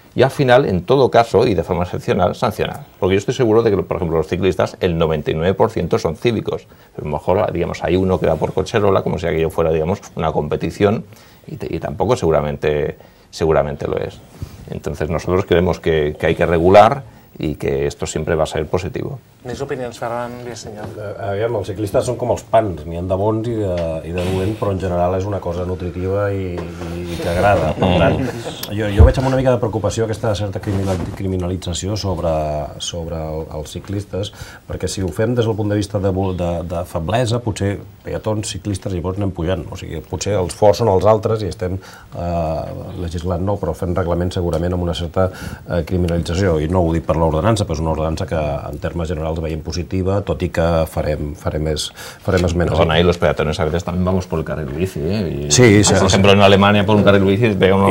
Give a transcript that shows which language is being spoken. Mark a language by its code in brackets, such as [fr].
[es] Y al final, en todo caso, y de forma excepcional, sancionar. Porque yo estoy seguro de que, por ejemplo, los ciclistas, el 99% son cívicos. Pero a lo mejor, digamos, hay uno que va por cocherola, como si aquello fuera, digamos, una competición, y tampoco seguramente lo es. Entonces, nosotros creemos que hay que regular y que esto siempre va a ser positivo. [ca] Més opinions, Ferran, li ensenyo. Aviam, els ciclistes són com els pans, n'hi ha de bons i de dolent, però en general és una cosa nutritiva i que agrada. Per tant, jo veig amb una mica de preocupació aquesta certa criminalització sobre els ciclistes, perquè si ho fem des del punt de vista de feblesa, potser peatons, ciclistes, llavors anem pujant. O sigui, potser els forts són els altres i estem legislant, no, però fent reglament segurament amb una certa criminalització. I no ho dic per l'ordenança, però és una ordenança que en termes generals els veiem positiva, tot i que farem més menys. [es] Perdona, i los peatones a veces también vamos por el carril bici, ¿eh? Sí, sí. Por ejemplo, en Alemania por un carril bici veo uno...